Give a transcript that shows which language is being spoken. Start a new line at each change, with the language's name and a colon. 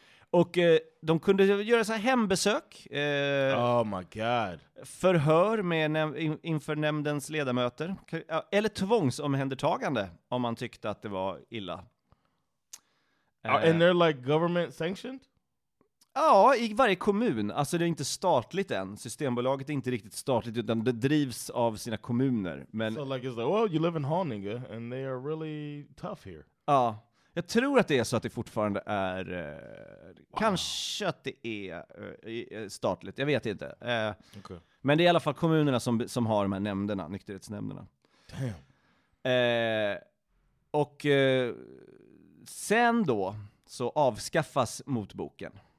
Swedish: Och de kunde göra så här hembesök.
English: Oh my god.
Swedish: Förhör med inför nämndens ledamöter. Eller tvångsomhändertagande om man tyckte att det var illa.
English: And they're like government sanctioned?
Swedish: Ja, i varje kommun. Alltså det är inte statligt än. Systembolaget är inte riktigt statligt utan det drivs av sina kommuner. Men,
English: so like it's like, well, you live in Haninge and they are really tough here.
Swedish: Ja. Jag tror att det är så att det fortfarande är kanske att det är statligt. Jag vet inte.
English: Okay.
Swedish: Men det är i alla fall kommunerna som har de här nämnderna, nykterhetsnämnderna.
English: Damn.
Swedish: Och sen då så avskaffas motboken.